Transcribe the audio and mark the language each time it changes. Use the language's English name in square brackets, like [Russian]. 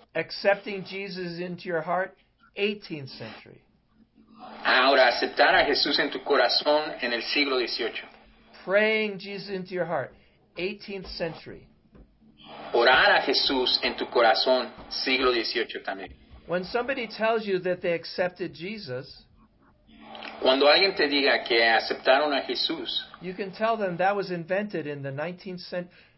[English] Accepting Jesus into your heart, 18th century. [Spanish] Ahora, aceptar a Jesús en tu corazón en el siglo XVIII. [English] Praying Jesus into your heart, 18th century. [Spanish] Orar a Jesús en tu corazón, siglo XVIII también. [English] When somebody tells you that they accepted Jesus, [Spanish] cuando alguien te diga que aceptaron a Jesús, [English] you can tell them that was invented in the 19th century.